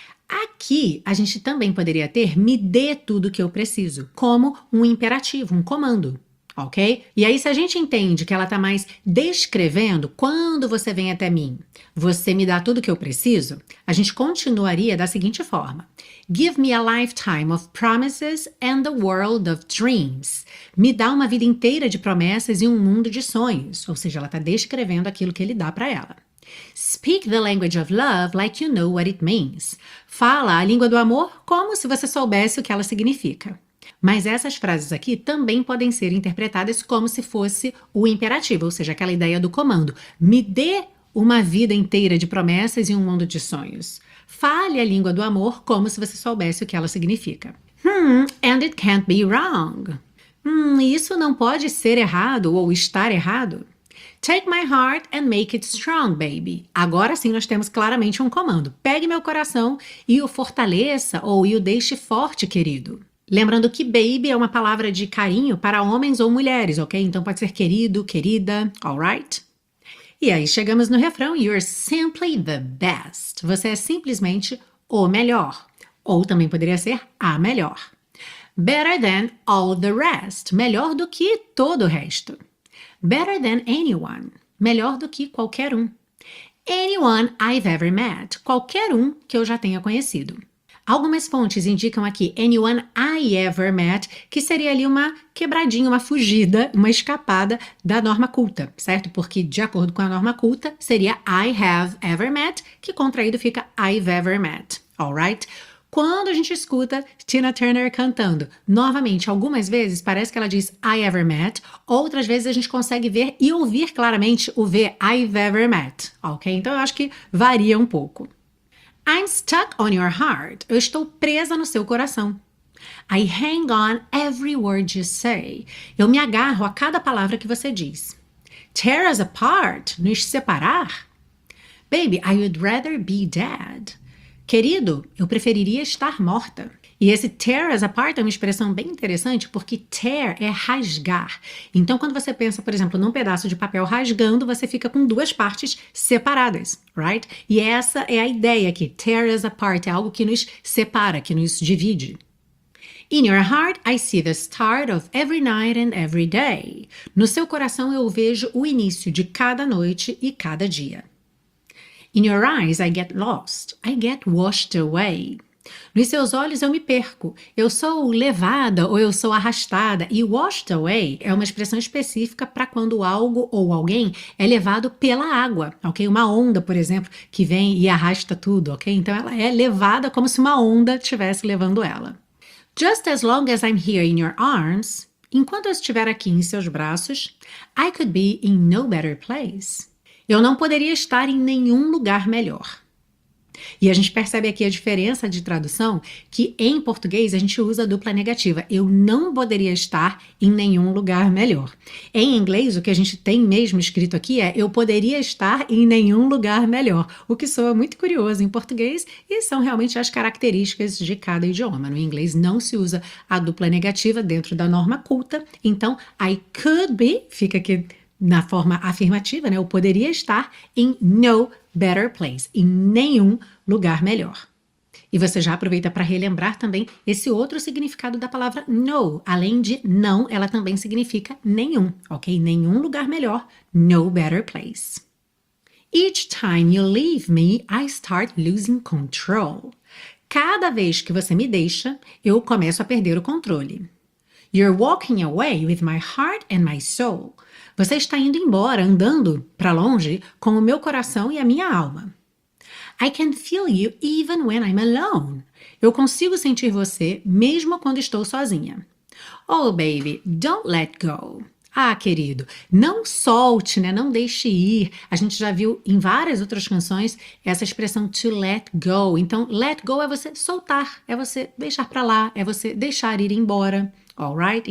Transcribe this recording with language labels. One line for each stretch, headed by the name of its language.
Portuguese: Aqui, a gente também poderia ter me dê tudo que eu preciso, como um imperativo, um comando, ok? E aí, se a gente entende que ela está mais descrevendo quando você vem até mim, você me dá tudo que eu preciso, a gente continuaria da seguinte forma.
English: Give me a lifetime of promises and a world of dreams.
Portuguese: Me dá uma vida inteira de promessas e um mundo de sonhos. Ou seja, ela está descrevendo aquilo que ele dá para ela.
English: Speak the language of love like you know what it means.
Portuguese: Fala a língua do amor como se você soubesse o que ela significa. Mas essas frases aqui também podem ser interpretadas como se fosse o imperativo, ou seja, aquela ideia do comando. Me dê uma vida inteira de promessas e um mundo de sonhos. Fale a língua do amor como se você soubesse o que ela significa.
English: And it can't be wrong.
Portuguese: Isso não pode ser errado ou estar errado.
English: Take my heart and make it strong, baby.
Portuguese: Agora sim nós temos claramente um comando. Pegue meu coração e o fortaleça ou e o deixe forte, querido. Lembrando que baby é uma palavra de carinho para homens ou mulheres, ok? Então pode ser querido, querida, alright? E aí chegamos no refrão,
English: you're simply the best.
Portuguese: Você é simplesmente o melhor. Ou também poderia ser a melhor.
English: Better than all the rest.
Portuguese: Melhor do que todo o resto.
English: Better than anyone.
Portuguese: Melhor do que qualquer um.
English: Anyone I've ever met.
Portuguese: Qualquer um que eu já tenha conhecido. Algumas fontes indicam aqui
English: anyone I ever met,
Portuguese: que seria ali uma quebradinha, uma fugida, uma escapada da norma culta, certo? Porque de acordo com a norma culta, seria
English: I have ever met,
Portuguese: que contraído fica
English: I've ever met,
Portuguese: alright? Quando a gente escuta Tina Turner cantando, novamente, algumas vezes parece que ela diz
English: I ever met,
Portuguese: outras vezes a gente consegue ver e ouvir claramente o V
English: I've ever met,
Portuguese: ok? Então eu acho que varia um pouco.
English: I'm stuck on your heart.
Portuguese: Eu estou presa no seu coração.
English: I hang on every word you say.
Portuguese: Eu me agarro a cada palavra que você diz.
English: Tear us apart.
Portuguese: Nos separar.
English: Baby, I would rather be dead.
Portuguese: Querido, eu preferiria estar morta. E esse tear us apart é uma expressão bem interessante porque tear é rasgar. Então, quando você pensa, por exemplo, num pedaço de papel rasgando, você fica com duas partes separadas, right? E essa é a ideia aqui. Tear us apart é algo que nos separa, que nos divide.
English: In your heart, I see the start of every night and every day.
Portuguese: No seu coração, eu vejo o início de cada noite e cada dia.
English: In your eyes, I get lost. I get washed away.
Portuguese: Nos seus olhos eu me perco. Eu sou levada ou eu sou arrastada. E washed away é uma expressão específica para quando algo ou alguém é levado pela água, ok? Uma onda, por exemplo, que vem e arrasta tudo, ok? Então ela é levada como se uma onda estivesse levando ela.
English: Just as long as I'm here in your arms,
Portuguese: enquanto eu estiver aqui em seus braços,
English: I could be in no better place.
Portuguese: Eu não poderia estar em nenhum lugar melhor. E a gente percebe aqui a diferença de tradução, que em português a gente usa a dupla negativa. Eu não poderia estar em nenhum lugar melhor. Em inglês, o que a gente tem mesmo escrito aqui é eu poderia estar em nenhum lugar melhor. O que soa muito curioso em português e são realmente as características de cada idioma. No inglês não se usa a dupla negativa dentro da norma culta. Então,
English: I could be,
Portuguese: fica aqui na forma afirmativa, né? Eu poderia estar em
English: no better place,
Portuguese: em nenhum lugar melhor. E você já aproveita para relembrar também esse outro significado da palavra no. Além de não, ela também significa nenhum, ok? Nenhum lugar melhor,
English: no better place. Each time you leave me, I start losing control.
Portuguese: Cada vez que você me deixa, eu começo a perder o controle.
English: You're walking away with my heart and my soul.
Portuguese: Você está indo embora, andando para longe com o meu coração e a minha alma.
English: I can feel you even when I'm alone.
Portuguese: Eu consigo sentir você mesmo quando estou sozinha.
English: Oh, baby, don't let go.
Portuguese: Ah, querido, não solte, né? Não deixe ir. A gente já viu em várias outras canções essa expressão to let go. Então, let go é você soltar, é você deixar para lá, é você deixar ir embora. Alright?